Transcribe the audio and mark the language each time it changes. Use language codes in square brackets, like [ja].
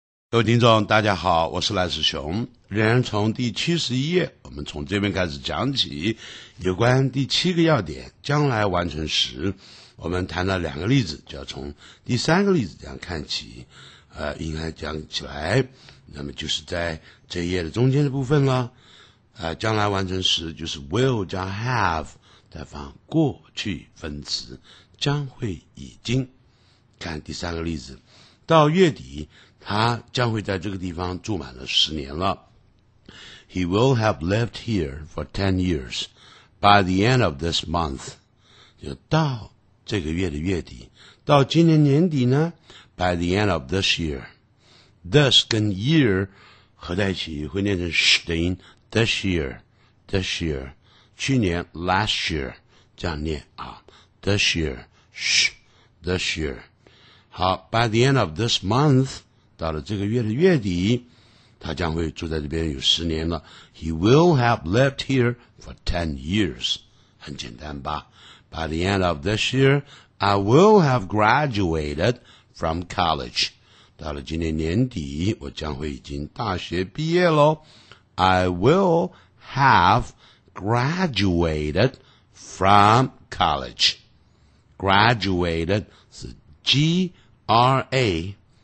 [zh] 各位听众，大家好，我是赖世雄。仍然从第71页，我们从这边开始讲起，有关第七个要点，将来完成时，我们谈了两个例子，就要从第三个例子这样看起，应该讲起来，那么就是在这一页的中间的部分了。将来完成时就是 will 加 have， 再放过去分词，将会、已经。看第三个例子，到月底，他将会在这个地方住满了10年了。 [en] He will have lived here for 10 years by the end of this month. [zh] 就到这个月的月底，到今年年底呢 ？ [en] By the end of this year. This [zh] 跟 [en] year [zh] 合在一起会念成 [en] sh [zh] 的音 [en] ，this year, this year， [zh] 去年 [en] last year [zh] 这样念啊 [en] ，this year, sh, this year。好 ，by the end of this month。 [zh] 到了这个月的月底，他将会住在这边有10年了。 [en] He will have lived here for 10 years. [zh] 很简单吧。 [en] By the end of this year, I will have graduated from college. [zh] 到了今年年底，我将会已经大学毕业咯。 [en] I will have graduated from college. Graduated [zh] 是 [en] G-R-A.